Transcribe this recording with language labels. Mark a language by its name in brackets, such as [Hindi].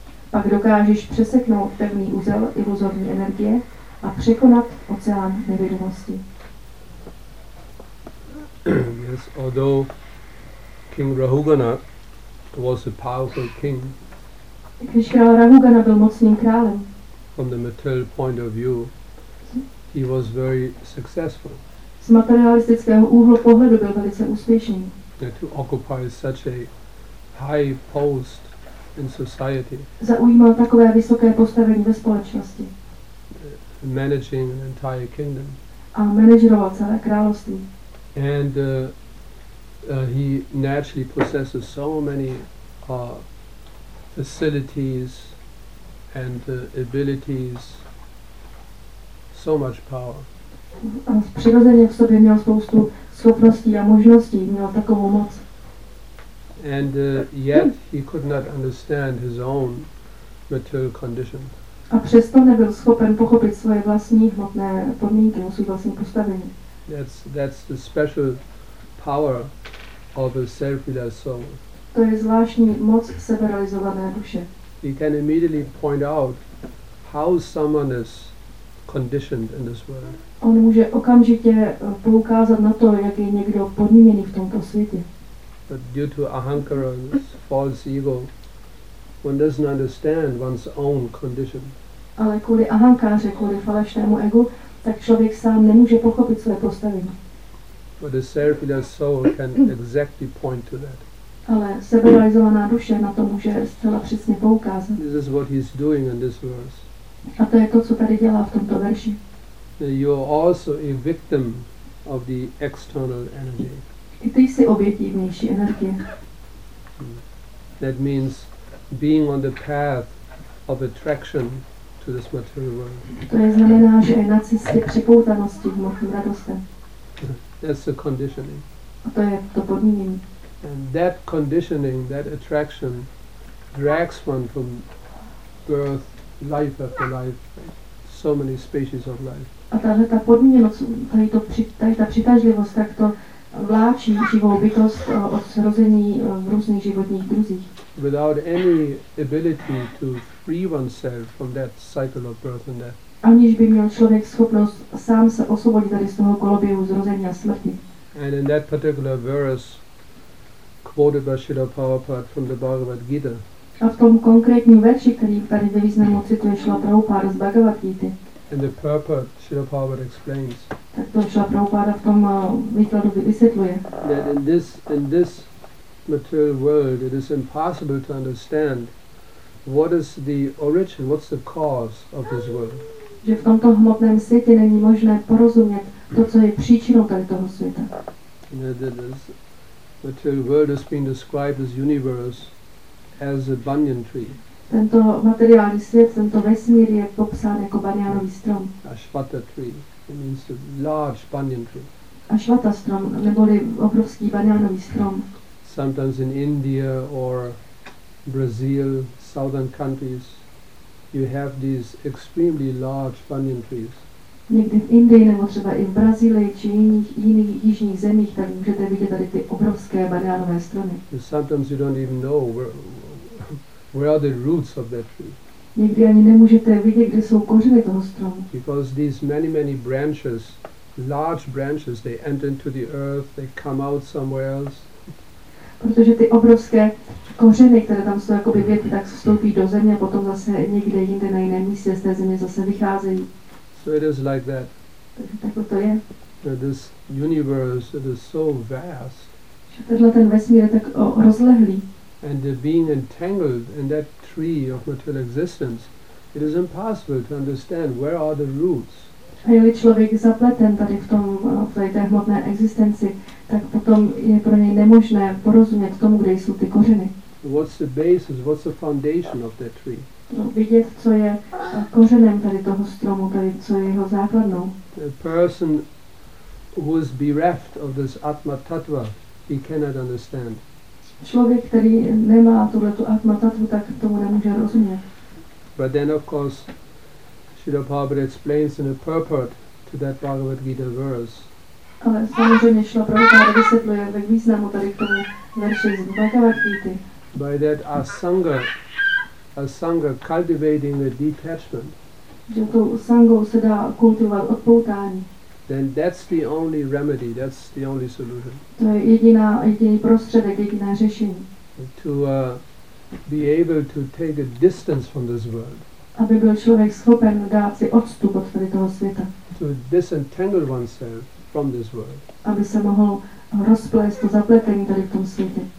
[Czech] Pak dokážeš přeseknout pevný uzel iluzorní energie a překonat oceán nevědomosti. [English] Yes, although King Rahugana was a powerful king. [Czech] Když král Rahugana byl mocným králem. [English] From the material point of view, he was very successful. [Czech] Z materialistického úhlu pohledu byl velice úspěšný. [English] And to occupy such a high post in society. [Czech] Zaujímal takové vysoké postavení ve společnosti. [English] Managing an entire kingdom. [Czech] A manažoval celé království. [English] And he naturally possesses so many facilities and abilities, so much power. [Czech] A přirozeně v sobě měl spoustu schopností a možností, měl takovou moc. [English] And yet he could not understand his own material condition. [Czech] A přesto nebyl schopen pochopit svoje vlastní hmotné podmínky, svůj vlastní postavení. [English] That's the special power of a self-realized soul. [Czech] To je zvláštní moc seberealizované duše. [English] He can immediately point out how someone is conditioned in this world. [Czech] On může okamžitě poukázat na to, jak je někdo podmíněný v tomto světě. [English] But due to ahankara's false ego, one doesn't understand one's own condition. [Czech] Ale kvůli ahankáře, kvůli falešnému egu, tak člověk sám nemůže pochopit své postavení. [English] But a self-realized soul can exactly point to that. [Czech] Ale seberealizovaná duše na to může zcela přesně poukázat. [English] This is what he's doing in this verse. [Czech] A to je to, co tady dělá v tomto verši. [English] You are also a victim of the external energy. [Czech] I ty jsi obětí vnější energie. [English] That means being on the path of attraction to this material world. [Czech] To je znamená, že je na cestě připoutanosti k hmotným radostem. [English] That's the conditioning. [Czech] A to je to podmínění. [English] And that conditioning, that attraction, drags one from birth, life after life, so many species of life. [Czech] A tahle ta podmíněnost, tady ta přitažlivost, tak to vláčí živou bytost od srození v různých životních druzích. [English] Without any ability to free oneself from that cycle of birth and death. [Czech] Aniž by měl člověk schopnost sám se osvobodit tady z toho koloběhu zrození a smrti. [English] And in that particular verse, quoted by Srila Prabhupada from the Bhagavad Gita. [Czech] A v tom konkrétním verši, který tady ve významu cituje Srila Prabhupada z Bhagavad Gita. [English] And the purport, Srila Prabhupada explains. [Czech] Tak to Srila Prabhupada v tom výkladu vysvětluje. [English] That in this material world, it is impossible to understand what is the origin, what's the cause of this world. [Czech] Že v tomto hmotném světě není možné porozumět to, co je příčinou tady toho světa. [English] Material world has been described as universe as a banyan tree. [Czech] Tento materiální svět, tento vesmír je popsán jako banyanový strom. [English] Ashvata tree, it means a large banyan tree. [Czech] Ashvata strom, neboli obrovský banyanový strom. [English] Sometimes in India or Brazil, southern countries, you have these extremely large banyan trees. [Czech] Někdy v Indii nebo třeba i v Brazílii či jiných jižních zemích, tak můžete vidět tady ty obrovské banánové stromy. [English] Sometimes you don't even know where are the roots of that tree. [Czech] Někdy ani nemůžete vidět, kde jsou kořeny toho stromu. [English] Because these many branches, large branches, they enter into the earth, they come out somewhere else. [Czech] Protože ty obrovské kořeny, které tam jsou jakoby větvy, tak vstoupí do země a potom zase někde jinde na jiném místě z té země zase vycházejí. [English] So it is like that. [Czech] Takže to je. [English] This universe, it is so vast. [Czech] Že tenhle ten vesmír je tak rozlehlý. [English] And being entangled in that tree of material existence, it is impossible to understand where are the roots. [Czech] A je-li člověk zapleten tady v tom, v té hmotné existenci, tak potom je pro něj nemožné porozumět tomu, kde jsou ty kořeny. [English] What's the basis, what's the foundation of that tree? [Czech] Vidět, co je kořenem tady toho stromu, tady co je jeho základnou. [English] A person who is bereft of this atma tattva, he cannot understand. [Czech] Člověk, který nemá tuhle tu atma tattvu, tak tomu nemůže rozumět. [English] But then of course, Srila Prabhupada explains in a purport to that Bhagavad Gita verse. [Czech] Ale samozřejmě Srila Prabhupada vysvětluje ve významu tady k tomu verši z Bhagavad Gita. [English] By that asanga, asanga cultivating the detachment. [Czech] Že tou sangou se dá kultivovat odpoutání. [English] Then that's the only remedy, that's the only solution. [Czech] To je jediný prostředek, jediné řešení. [English] To be able to take a distance from this world. [Czech] Aby byl člověk schopen dát si odstup od tady toho světa. [English] To disentangle oneself from this world. [Czech] Aby se mohl rozplést to zapletení tady v tom světě.